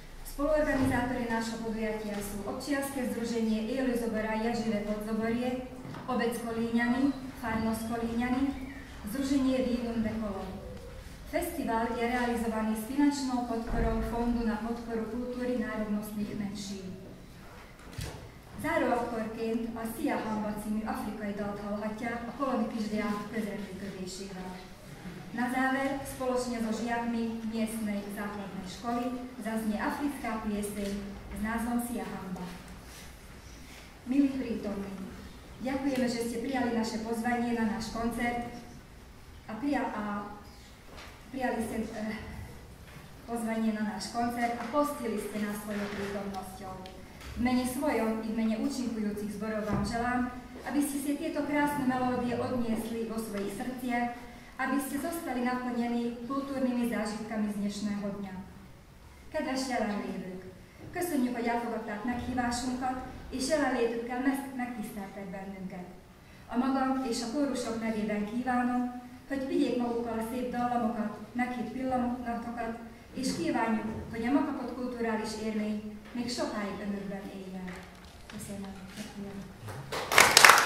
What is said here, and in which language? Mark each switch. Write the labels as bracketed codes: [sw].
[sk] Spoluorganizátori naša podujatia sú občianske združenie Élőzobora Jadzsive Podzoborie, obec Kolíňany, farnosť Kolíňany, združenie Vínum de Kolon. Festival je realizovaný s finančnou podporou Fondu na podporu kultúry národnostných menšín. [hu] Záróakkorként a Szia Hamba című afrikai dalt hallhatják a koloni kisdiák közelműködésével. [sk] Na záver, spoločne so žiakmi miestnej základnej školy zaznie africká pieseň s názvom Szia Hamba. Milí prítomní, ďakujeme, že ste prijali naše pozvanie na náš koncert a postili ste nás svojou prítomnosťou. V mene svojom i v mene účinkujúcich zborov vám želám, aby ste si tieto krásne melódie odniesli vo svojich srdciach, aby ste zostali naplnení kultúrnymi zážitkami z dnešného dňa. [hu] Kedves jelenlévők, köszönjük, hogy elfogadták meghívásunkat, és jelenlétükkel megtiszteltek bennünket. A magam és a kórusok nevében kívánom, hogy vigyék magukkal a szép dallamokat, meghitt pillanatokat, és kívánjuk, hogy a ma kapott kulturális élmény még sokáig önökben éljen. Köszönöm.